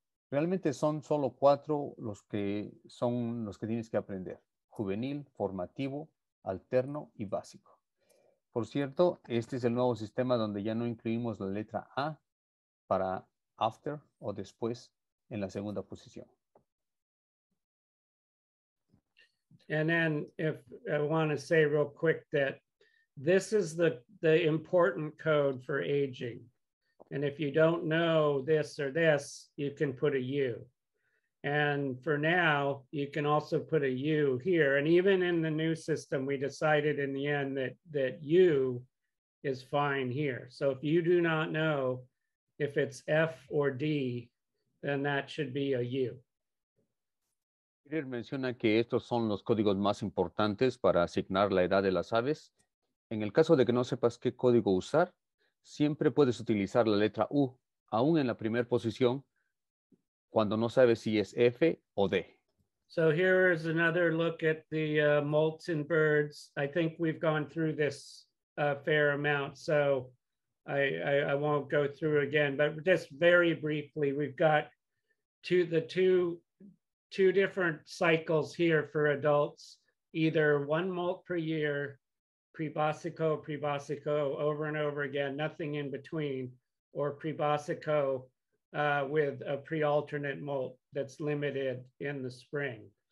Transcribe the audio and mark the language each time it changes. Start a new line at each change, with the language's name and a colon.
Spanish: Realmente son solo cuatro los que son los que tienes que aprender: juvenil, formativo, alterno y básico. Por cierto, este es el nuevo sistema donde ya no incluimos la letra A para after o después en la segunda posición.
English: And then if I want to say real quick that this is the important code for aging. And if you don't know this or this, you can put a U. And for now, you can also put a U here. And even in the new system, we decided in the end that U is fine here. So if you do not know if it's F or D, then that should be a U.
Spanish: Peter menciona que estos son los códigos más importantes para asignar la edad de las aves. En el caso de que no sepas qué código usar, siempre puedes utilizar la letra U, aún en la primera posición, cuando no sabes si es F o D.
English: So here is another look at the molts in birds. I think we've gone through this a fair amount, so I won't go through again, but just very briefly, we've got two different cycles here for adults, either one molt per year, prebossico, prebossico, over and over again, nothing in between, or prebossico with a prealternate molt that's limited in the spring.